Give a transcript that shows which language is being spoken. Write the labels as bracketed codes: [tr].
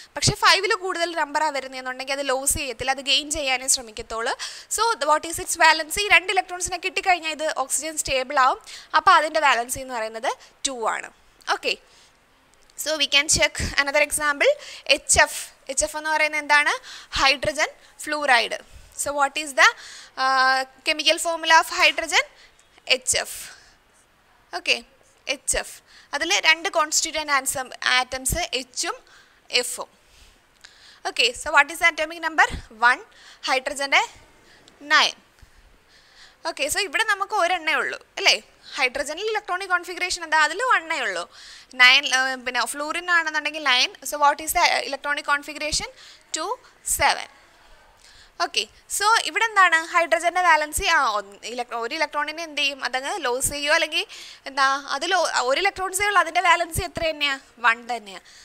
[ml] പക്ഷേ 5 കൂടുതൽ നമ്പറാണ് വരുന്നതെന്നുണ്ടെങ്കിൽ അത് ലോസ് ചെയ്യത്തില്ല, അത് ഗെയിൻ ചെയ്യാനേ ശ്രമിക്കത്തുള്ളൂ. [en] so what is it's valency, [ml] 2 ഇലക്ട്രോൺസിനെ കിട്ടിക്കഴിഞ്ഞാൽ ഇത് ഓക്സിജൻ സ്റ്റേബിൾ ആവും, അപ്പോൾ അതിൻ്റെ വാലൻസി എന്ന് പറയുന്നത് 2. Okay, [en] so we can check another example, [ml] H F എന്ന് പറയുന്നത് എന്താണ്, hydrogen fluoride. [en] So what is the chemical formula of hydrogen? HF. [ml] Okay, HF. അതിലെ 2 constituent atoms H-ഉം F-ഉം. [en] Okay, so what is the atomic number? [ml] 1, ഹൈഡ്രജൻ്റെ 9. Okay, so ഇവിടെ നമുക്ക് ഒരെണ്ണേ ഉള്ളൂ അല്ലേ, ഹൈഡ്രജനിൽ electronic configuration എന്താ, അതിൽ 1 ഉള്ളൂ. 9 പിന്നെ ഫ്ലൂറിൻ ആണെന്നുണ്ടെങ്കിൽ 9. [en] so what is the electronic configuration, [ml] 2-7. Okay, so ഇവിടെ എന്താണ് ഹൈഡ്രജൻ്റെ വാലൻസി, ആ ഒരു ഇലക്ട്രോണിനെ എന്ത് ചെയ്യും, അതങ്ങ് ലോസ് ചെയ്യുമോ അല്ലെങ്കിൽ എന്താ, അത് ഒരു ഇലക്ട്രോൺസേ ഉള്ളൂ, അതിൻ്റെ വാലൻസി എത്ര തന്നെയാണ്, 1.